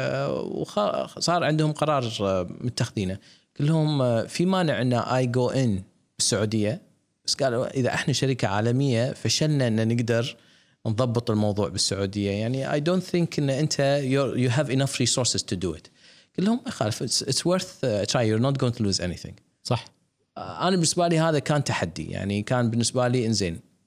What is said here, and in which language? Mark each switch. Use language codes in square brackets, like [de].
[ar] وصار عندهم قرار متخذينه، كلهم في مانع أن [en] I go in [ar] السعودية، بس قالوا إذا إحنا شركة عالمية فشلنا أن نقدر نضبط الموضوع بالسعودية، يعني [en] I don't think [ar] أن أنت [en] you have enough resources to do it. [ar] كلهم خالف [en] it's worth a try, you're not going to lose anything. [ar] صح. أنا بالنسبة لي هذا كان تحدي، يعني كان بالنسبة لي إنزين.